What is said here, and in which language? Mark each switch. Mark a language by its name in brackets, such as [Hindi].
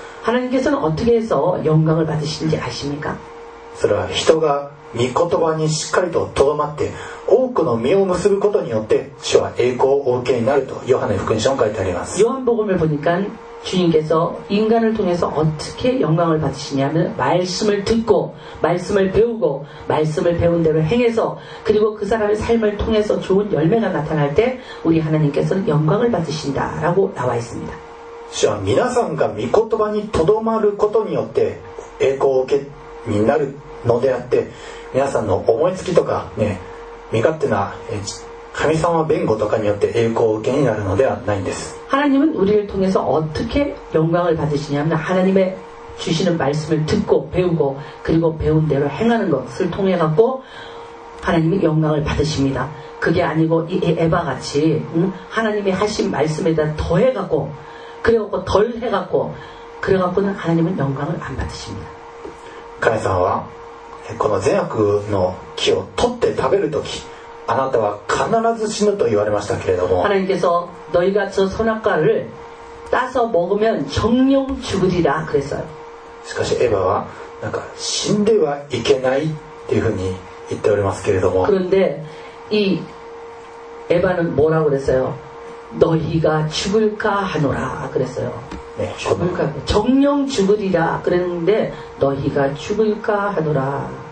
[Korean] 하나님께서는 어떻게 해서 영광을 받으시는지 아십니까? [Japanese] それは人が 御言葉にしっかりととどまって多くの実を結ぶことによって主は栄光をお受けになるとヨハネ福音書に書いてあります。 [Korean] 요한복음을 보니까 주님께서 인간을 통해서 어떻게 영광을 받으시냐면 말씀을 듣고 말씀을 배우고 말씀을 배운 대로 행해서 그리고 그 사람의 삶을 통해서 좋은 열매가 나타날 때 우리 하나님께서는 영광을 받으신다라고 나와 있습니다. [Japanese] 主は皆さんが御言葉にとどまることによって栄光を受けになる のであって皆さんの思いつきとか身勝手な神様弁護とかによって栄光を受けになるのではないんです。 [Korean] 하나님은 우리를 통해서 어떻게 영광을 받으시냐면 하나님의 주시는 말씀을 듣고 배우고 그리고 배운 대로 행하는 것을 통해 갖고 하나님이 영광을 받으십니다. 그게 아니고 이 에바 같이 하나님이 하신 말씀에다 더해 갖고 그래 갖고 덜 해 갖고 그래 갖고는 하나님은 영광을 안 받으십니다. 감사합니다. [Japanese] この善悪の木を取って食べるとき あなたは必ず死ぬと言われましたけれども [Korean] 하나님께서 너희가 저 선악과를 따서 먹으면 정녕 죽으리라 그랬어요. [Japanese] しかしエヴァはなんか死んではいけないっていうふうに言っておりますけれども [Korean] 그런데 이 에바는 뭐라고 그랬어요? 너희가 죽을까 하노라 그랬어요. 네, 죽을까 정녕 죽으리라 그랬는데 너희가 죽을까 하노라